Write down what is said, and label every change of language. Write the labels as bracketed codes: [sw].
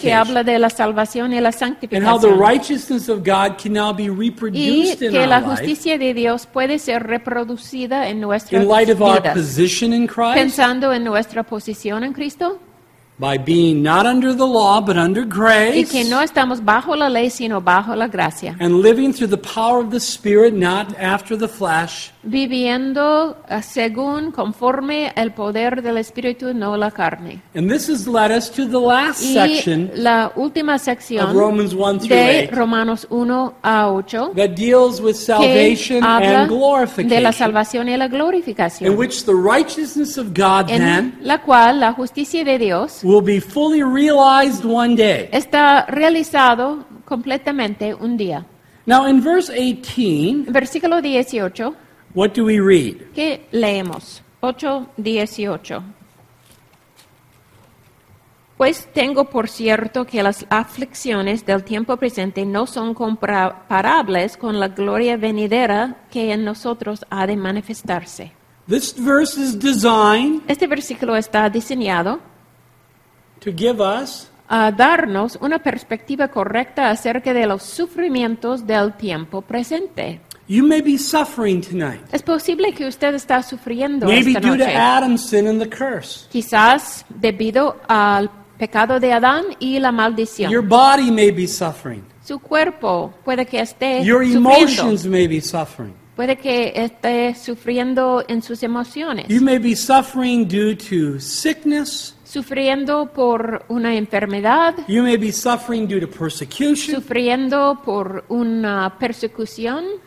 [es] que habla de la salvación y la santificación, [en] and how the righteousness of God can now be reproduced [es] y que [en] in [es] la [en] our [es] justicia [en] life, [es] de Dios puede ser reproducida en nuestras [en] in light of [es] vidas, [en] our position in Christ, [es] pensando en nuestra posición en Cristo. [en] By being not under the law, but under grace. [es] Y que no estamos bajo la ley, sino bajo la gracia. [en] And living through the power of the Spirit, not after the flesh. [es] Viviendo según, conforme el poder del Espíritu, no la carne. [en] And this has led us to the last section. [es] Y la última sección [en] of Romans 1 through 8. [es] De Romanos 1 a 8. [en] That deals with salvation [es] que habla [en] and glorification. [es] De la salvación y la glorificación. [en] In which the righteousness of God [es] en [en] then. [es] La cual la justicia de Dios. [en] Will be fully realized one day. [es] Está realizado completamente un día. [en] Now in verse 18, [es] versículo 18, [en] what do we read? [es] ¿Qué leemos? 8:18. Pues tengo por cierto que las aflicciones del tiempo presente no son comparables con la gloria venidera que en nosotros ha de manifestarse. [en] This verse is designed. [es] Este versículo está diseñado. [en] To give us [es] a darnos una perspectiva correcta acerca de los sufrimientos del tiempo presente. [en] You may be suffering tonight. [es] Es posible que usted está sufriendo [en] maybe [es] esta noche. [en] Due to Adam's sin and the curse. [es] Quizás debido al pecado de Adán y la maldición. [en] Your body may be suffering. [es] Su cuerpo puede que esté [en] your [es] sufriendo. [en] Emotions may be suffering. [es] Puede que esté sufriendo en sus emociones. [en] You may be suffering due to sickness. [es] Sufriendo por una enfermedad. [en] You may be suffering due to persecution. [es] Sufriendo por una persecución.